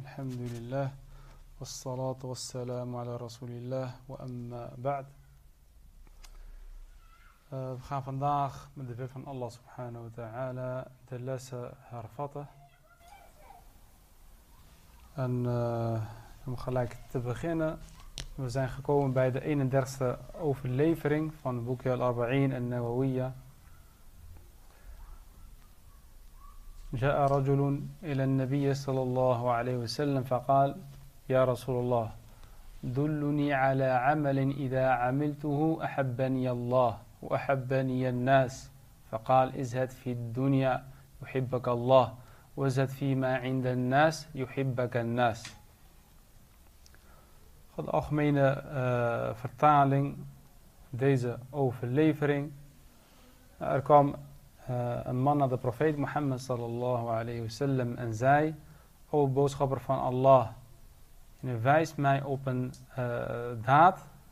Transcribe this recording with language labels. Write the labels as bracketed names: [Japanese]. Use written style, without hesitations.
[Arabic] الحمد لله والصلاة والسلام على رسول الله وأما بعد. [Dutch] We gaan vandaag met de wet van Allah subhanahu wa ta'ala de lessen hervatten. En om gelijk te beginnen, we zijn gekomen bij de 31ste overlevering van het boekje Al-Arba'in en Nawawiyya. [Arabic] جاء رجل إلى النبي صلى الله عليه وسلم فقال يا رسول الله دلني على عمل إذا عملته أحبني الله وأحبني الناس فقال ازهد في الدنيا يحبك الله وازهد فيما عند الناس يحبك الناس. [Dutch] De algemene vertaling, deze overlevering. Er kwam een man naar de profeet Mohammed sallallahu alayhi wa sallam en zei: O boodschapper van Allah, wijs mij op een daad.